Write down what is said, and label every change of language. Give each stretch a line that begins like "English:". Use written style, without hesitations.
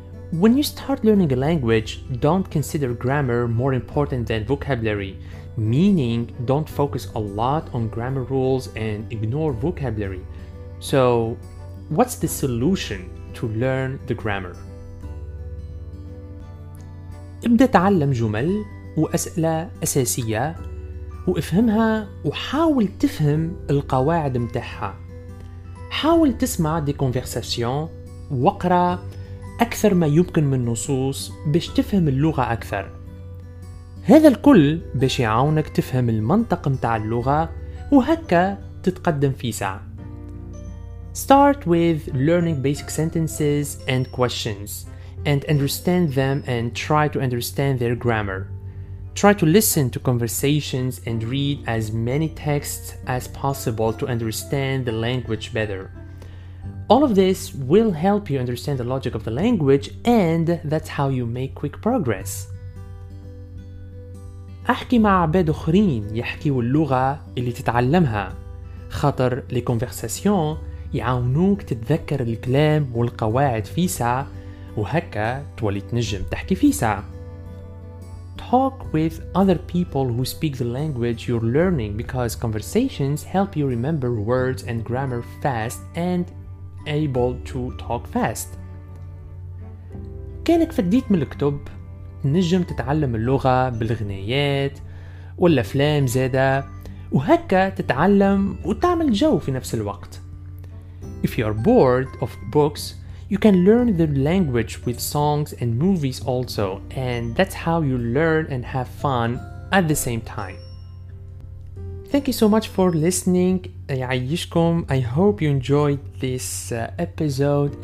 English: When you start learning a language, don't consider grammar more important than vocabulary, meaning don't focus a lot on grammar rules and ignore vocabulary. So, what's the solution to learn the grammar?
Arabic: ابدأ تعلم جمل وأسئلة أساسية وافهمها وحاول تفهم القواعد متاعها. حاول تسمع
French: دي كونفرساسيون
Arabic: وقرأ أكثر ما يمكن من نصوص باش تفهم اللغة أكثر. هذا الكل باش يعاونك تفهم المنطق متاع اللغة وهكا تتقدم فيسع.
English: Start with learning basic sentences and questions and understand them and try to understand their grammar. Try to listen to conversations and read as many texts as possible to understand the language better. All of this will help you understand the logic of the language and that's how you make quick progress.
Arabic: احكي مع عباد اخرين يحكيوا اللغة اللي تتعلمها خاطر
French: لي كونفرساسيون
Arabic: يعاونوك تتذكر الكلام والقواعد فيسع وهكا تولي تنجم تحكي فيسع.
English: Talk with other people who speak the language you're learning because conversations help you remember words and grammar fast and able to talk fast.
Arabic: كانك فديت من الكتب نجم تتعلم اللغة بالغنايات والأفلام زادة وهكا تتعلم وتعمل جو في نفس الوقت.
English: If you are bored of books, you can learn the language with songs and movies also, and that's how you learn and have fun at the same time. Thank you so much for listening. I hope you enjoyed this episode.